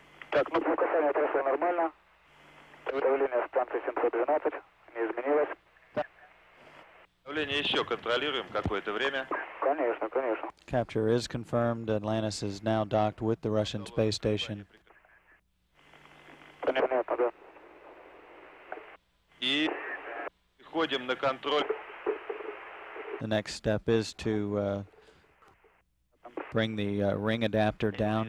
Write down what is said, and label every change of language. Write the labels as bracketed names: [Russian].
[Russian] Так, ну, касание прошло нормально. Давление станции 712 не изменилось. Давление еще контролируем какое-то время. Конечно, конечно. [English] Capture is confirmed. Atlantis is now docked with the Russian space station. [Russian] Понятно, да. И переходим на контроль. [English] The next step is to bring the ring adapter down.